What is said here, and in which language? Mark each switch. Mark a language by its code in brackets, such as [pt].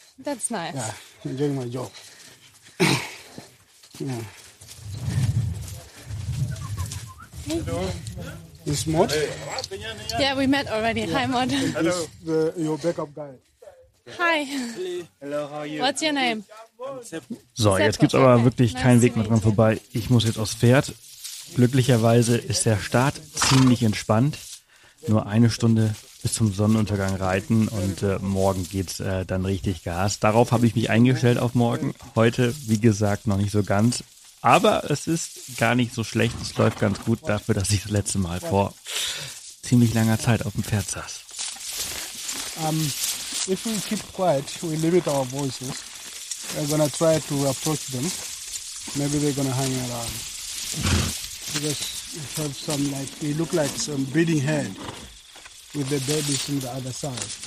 [en] That's nice. Yeah, enjoying my job. Yeah. Hey. This Mod? Yeah, we met already. Yeah. Hi, Mod. Hello. This the your backup guy. Hi. Hello, how are you? What's your name? [de] So, jetzt gibt's aber wirklich keinen Weg mehr dran vorbei. Ich muss jetzt aufs Pferd. Glücklicherweise ist der Start ziemlich entspannt. Nur eine Stunde bis zum Sonnenuntergang reiten und morgen geht's dann richtig Gas. Darauf habe ich mich eingestellt auf morgen. Heute, wie gesagt, noch nicht so ganz. Aber es ist gar nicht so schlecht. Es läuft ganz gut dafür, dass ich das letzte Mal vor ziemlich langer Zeit auf dem Pferd saß. [en] If we keep quiet, we limit our voices, we're going to try to approach them. Maybe they're going to hang around. Because we have some, like, they look like some breeding hen with the babies on the other side.